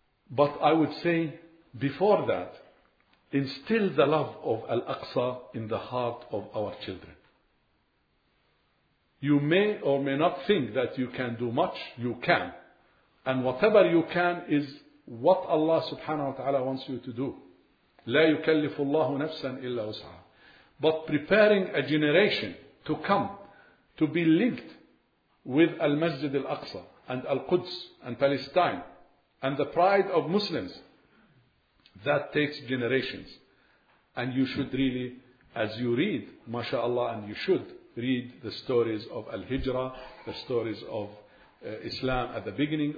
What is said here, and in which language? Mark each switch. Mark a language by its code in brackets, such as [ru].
[en] But I would say before that, instill the love of Al-Aqsa in the heart of our children. You may or may not think that you can do much. You can. And whatever you can is what Allah subhanahu wa ta'ala wants you to do. [ar] لا يكلف الله نفسا إلا وسعها. [en] But preparing a generation to come to be linked with Al-Masjid Al-Aqsa and Al-Quds and Palestine and the pride of Muslims, that takes generations. And you should really, as you read, mashallah, and you should read the stories of Al-Hijra, the stories of Islam at the beginning.